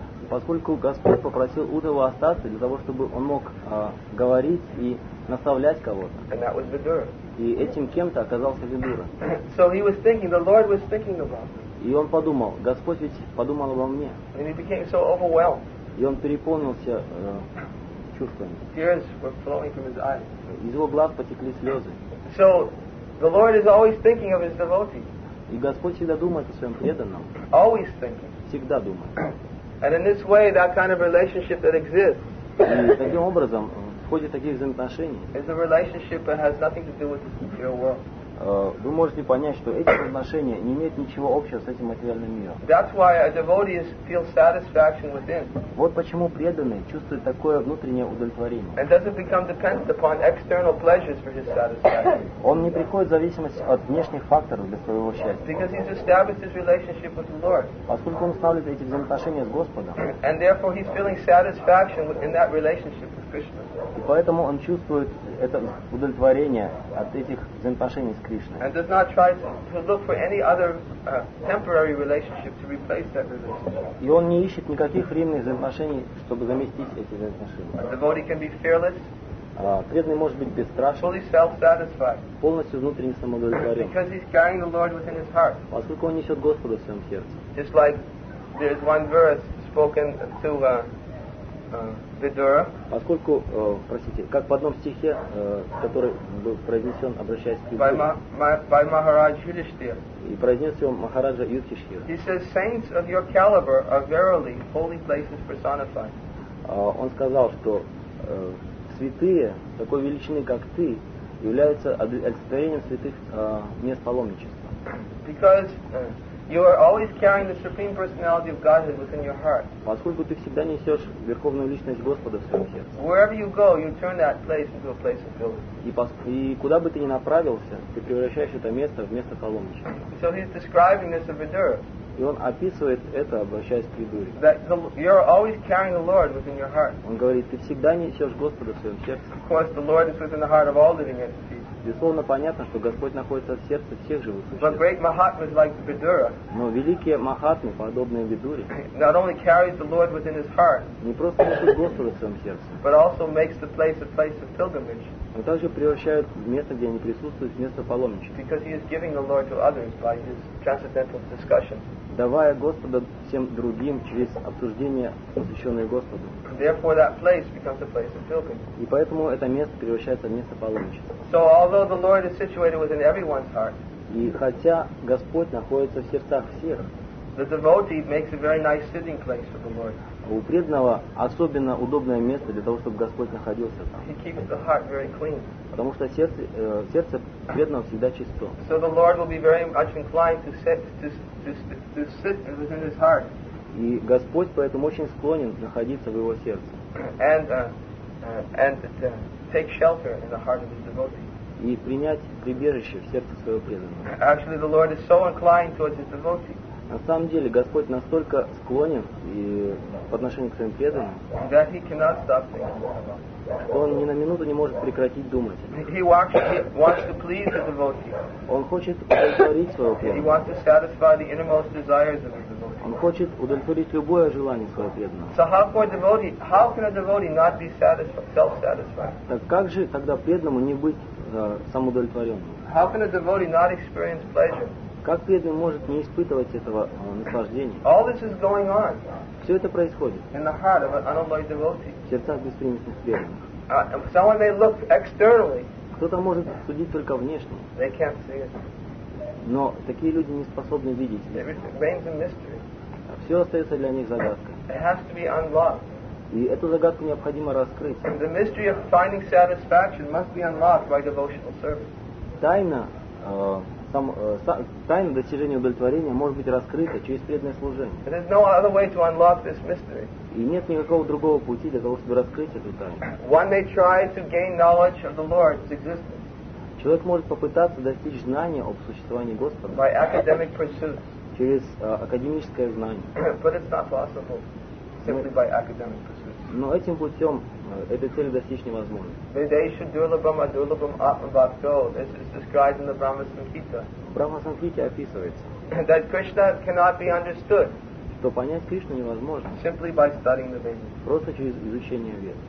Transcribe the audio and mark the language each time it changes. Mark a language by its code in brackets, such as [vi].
[ru] Поскольку Господь попросил Уддава остаться для того, чтобы он мог говорить и наставлять кого-то. И этим кем-то оказался Видура. [en] So he was thinking, the Lord was thinking about me. [ru] И он подумал, Господь ведь подумал обо мне. [en] And he became so overwhelmed. [ru] И он переполнился чувствами. [en] Tears were flowing from his eyes. [ru] Из его глаз потекли слезы. [en] So the Lord is always thinking of his devotee. [ru] И Господь всегда думает о своем преданном. [en] Always thinking. [ru] Всегда думает. [en] And in this way, that kind of relationship that exists. [ru] И таким образом, в ходе таких взаимоотношений. [en] Is a relationship that has nothing to do with this material world. [ru] Вы можете понять, что эти отношения не имеют ничего общего с этим материальным миром. [en] That's why a devotee feels satisfaction within. [ru] Вот почему преданный чувствует такое внутреннее удовлетворение. [en] And doesn't become dependent upon external pleasures for his satisfaction. [ru] Он не приходит в зависимость от внешних факторов для своего счастья. [en] Because he's established his relationship with the Lord. [ru] Поскольку он устанавливает эти взаимоотношения с Господом. [en] And therefore he's feeling satisfaction in that relationship with Krishna. [ru] И поэтому он чувствует это удовлетворение от этих взаимоотношений с Кришной. [en] And does not try to look for any other temporary relationship to replace that relationship. [ru] И он не ищет никаких временных взаимоотношений, чтобы заместить эти взаимоотношения. [en] A devotee can be fearless. [ru] Преданный может быть бесстрашен. [en] Fully self-satisfied. [ru] Полностью внутренне самодовлетворен. [en] Because he's carrying the Lord within his heart. [ru] Поскольку он несет Господа в своем сердце. [en] Just like there is one verse spoken to Vidura. [ru] Поскольку, простите, как в одном стихе, который был произнесен, обращаясь к Видуре, [en] by Maharaj Yudhishthira. [ru] И произнес его Махараджа Юдхиштхира. [en] He says, saints of your caliber are verily holy places personified. [ru] Он сказал, что святые такой величины, как ты, являются олицетворением святых мест паломничества. [en] Because you are always carrying the supreme personality of Godhead within your heart. [ru] Поскольку ты всегда несешь верховную личность Господа в своем сердце. [en] Wherever you go, you turn that place into a place of pilgrimage. [ru] И куда бы ты ни направился, ты превращаешь это место в место паломничества. [en] So he's describing this of Vidura. [ru] И он описывает это, обращаясь к Видуре. [en] That you're always carrying the Lord within your heart. [ru] Он говорит, ты всегда несешь Господа в своем сердце. [en] Of course, the Lord is within the heart of all living entities. [ru] Безусловно, понятно, что Господь находится в сердце всех живых существ. [en] But great mahatmas like Vidura. [ru] Но великие махатмы, подобные Видуре, [en] not only carries the Lord within his heart, [ru] не просто несут Господа в своем сердце, [en] but also makes the place a place of pilgrimage. [ru] Но также превращают место, где они присутствуют, в место паломничества. [en] Because he is giving the Lord to others by his transcendental discussion. [ru] Давая Господа всем другим через обсуждение, посвященное Господу. [en] Therefore, that place becomes a place of pilgrimage. [ru] И поэтому это место превращается в место паломничества. [en] So, although the Lord is situated within everyone's heart, [ru] и хотя Господь находится в сердцах всех, [en] the devotee makes a very nice sitting place for the Lord. [ru] У преданного особенно удобное место для того, чтобы Господь находился там. [en] He keeps the heart very clean. [ru] Потому что сердце преданного всегда чисто. [en] So the Lord will be very much inclined to sit within his heart. [ru] И Господь поэтому очень склонен находиться в его сердце. [en] And take shelter in the heart of his devotee. [ru] И принять прибежище в сердце своего преданного. [en] Actually, the Lord is so inclined towards his devotee. [ru] На самом деле, Господь настолько склонен и по отношению к своим преданным, [en] that he cannot stop thinking. [ru] Что он ни на минуту не может прекратить думать. [en] He wants to please the devotee. [ru] Он хочет удовлетворить своего преданного. [en] He wants to satisfy the innermost desires of his devotee. [ru] Он хочет удовлетворить любое желание своего преданного. [en] So how can a devotee, not be self-satisfied? [ru] Так как же тогда преданному не быть самоудовлетворенным? [en] How can a devotee not experience pleasure? [ru] Как преданный может не испытывать этого наслаждения? [en] All this is going on. [ru] Все это происходит [en] in the heart of an unalloyed devotee. [ru] В сердцах беспримесных преданных. [en] Someone may look externally. [ru] Кто-то может судить только внешне. [en] They can't see it. [ru] Но такие люди не способны видеть. [en] Everything remains a mystery. [ru] Все остается для них загадкой. [en] It has to be unlocked. [ru] И эту загадку необходимо раскрыть. [en] And the mystery of finding satisfaction must be unlocked by devotional service. [ru] Тайна достижения удовлетворения может быть раскрыта через преданное служение. [en] There is no other way to unlock this mystery. [ru] И нет никакого другого пути для того, чтобы раскрыть эту тайну. [en] One may try to gain knowledge of the Lord's existence. [ru] Человек может попытаться достичь знания об существовании Господа [en] by academic pursuits. [ru] Через академическое знание. [en] But it's not possible simply by academic pursuits. [ru] Но этим путем этой цели достичь невозможно. [sa] Vedeshu durlabham adurlabham atmabhakto. [en] This is described in the Brahma Sankhita. [ru] В Брахма Сангхите описывается. [en] That Krishna cannot be understood. [ru] Что понять Кришну невозможно. [en] Simply by studying the Vedas. [ru] Просто через изучение Вед.